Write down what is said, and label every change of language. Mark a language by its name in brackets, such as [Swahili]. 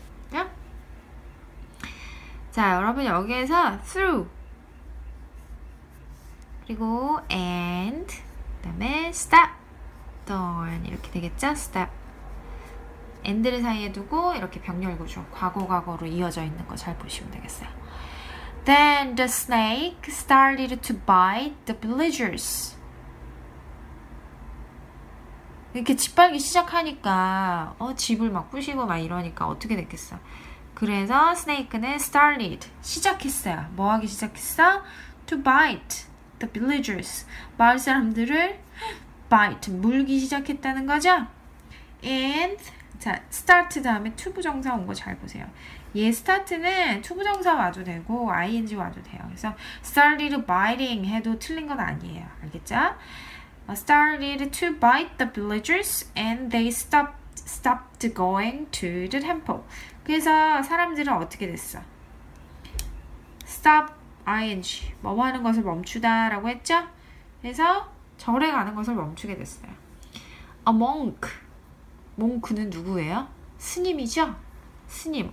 [Korean] 그쵸? 자, 여러분 여기에서 through 그리고 and 그다음에 step on 이렇게 되겠죠? step and를 사이에 두고 이렇게 병렬구조 과거 과거로 이어져 있는 거 잘 보시면 되겠어요. [English] Then the snake started to bite the villagers. [Korean] 이렇게 짓밟기 시작하니까, 집을 막 부시고 막 이러니까 어떻게 됐겠어? 그래서 스네이크는 started, 시작했어요. 뭐 하기 시작했어? [English] To bite the villagers. [Korean] 마을 사람들을 bite, 물기 시작했다는 거죠? And, 자, start 다음에 to 부정사 온거잘 보세요. 얘 start는 to 부정사 와도 되고, ing 와도 돼요. 그래서 started biting 해도 틀린 건 아니에요. 알겠죠? [English] Started to bite the villagers and they stopped going to the temple. [Korean] 그래서 사람들은 어떻게 됐어? [English] Stop ing. [Korean] 뭐 하는 것을 멈추다라고 했죠? 그래서 절에 가는 것을 멈추게 됐어요. A monk. 몽크는 누구예요? 스님이죠? 스님.